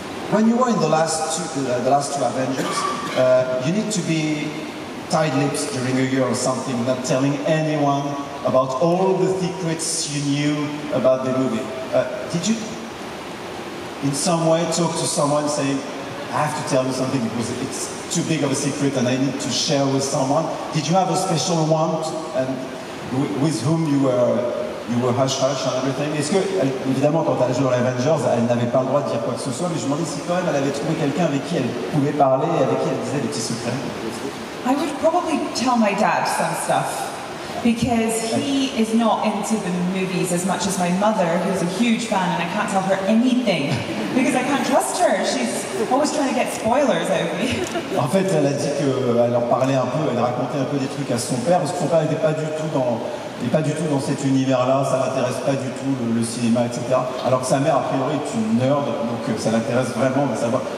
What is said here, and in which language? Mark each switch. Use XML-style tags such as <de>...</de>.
<en>When you were in the last two Avengers, you need to be tight lips during a year or something, not telling anyone about all the secrets you knew about the movie. Did you in some way talk to someone saying, I have to tell you something because it's too big of a secret and I need to share with someone. Did you have a special one and with whom you were hush-hush and everything?</en> <fr>Est-ce que, évidemment, quand elle joue dans les Avengers, elle n'avait pas le droit de dire quoi que ce soit, mais je me demandais si quand même elle avait trouvé quelqu'un avec qui elle pouvait parler et avec qui elle disait des petits secrets.</fr> <en>I would probably tell my dad some stuff because he is not into the movies as much as my mother, who's a huge fan, and I can't tell her anything because I can't trust her. She's always trying to get spoilers out of me.</en> <fr>En fait, elle a dit qu'elle en parlait un peu, elle racontait un peu des trucs à son père, parce que son père n'était pas du tout dans cet univers-là, ça l'intéresse pas du tout le cinéma, etc. Alors que sa mère, a priori, est une nerd, donc ça l'intéresse vraiment de savoir.</fr>